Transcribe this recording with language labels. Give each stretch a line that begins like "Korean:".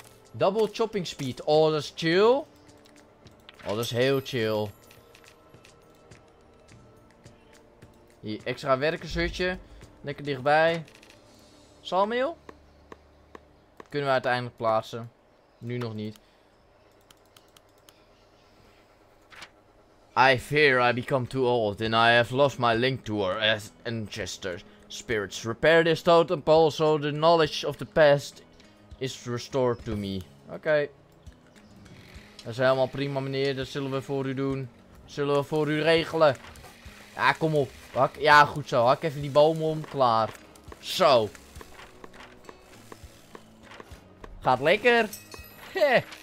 English: Double chopping speed,
Dutch: oh dat is chill. Oh dat is heel chill. Hier, extra werkershutje, lekker dichtbij. Sawmill? Kunnen we uiteindelijk plaatsen, nu nog niet.
English: I fear I become too old and I have lost my link to our ancestors. Spirits, repair this totem pole so the knowledge of the past is restored to me.
Dutch: Oké. Dat is helemaal prima meneer, dat zullen we voor u doen. Zullen we voor u regelen. Ja, kom op. Ja, goed zo. Hak even die bomen om, klaar. Zo. Gaat lekker. Heh.